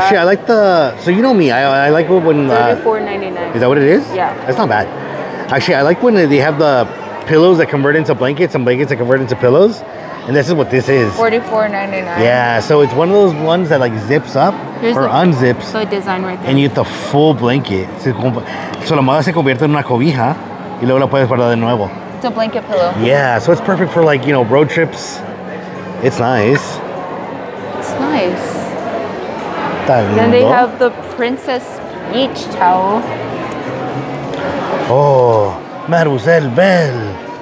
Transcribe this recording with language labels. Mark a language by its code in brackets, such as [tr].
[en] Actually, I like the... So you know me, I like when... $34.99. Is that what it is? Yeah. That's not bad. Actually, I like when they have the pillows that convert into blankets and blankets that convert into pillows. And this is what this is. $44.99. Yeah, so it's one of those ones that like zips up. Here's or unzips. The design right there. And you get the full blanket. [es] So la mala se convierte en una cobija y luego la puedes guardar de nuevo. [en] It's a blanket pillow. Yeah, so it's perfect for like, you know, road trips. It's nice. It's nice. [es] Está lindo. [en] Then they have the princess beach towel. Oh, Mademoiselle Belle.